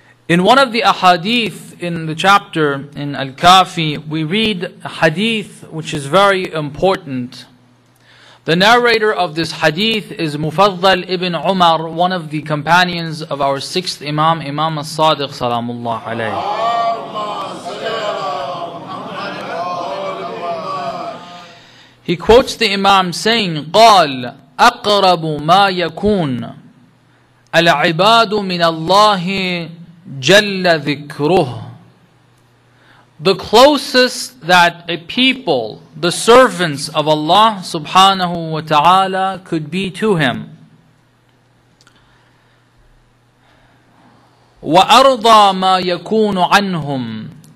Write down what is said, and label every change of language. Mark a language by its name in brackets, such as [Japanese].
[English] In one of the ahadith in the chapter in Al-Kafi, we read a hadith which is very important. The narrator of this hadith is Mufaddal ibn Umar, one of the companions of our sixth Imam, Imam As-Sadiq salamullah alayhi. He quotes the Imam saying, [Arabic] قال أقرب ما يكون العباد من الله جل ذكره. [English] The closest that a people, the servants of Allah subhanahu wa ta'ala, could be to him. [Arabic] وَأَرْضَى مَا يَكُونُ عَنْهُمْ.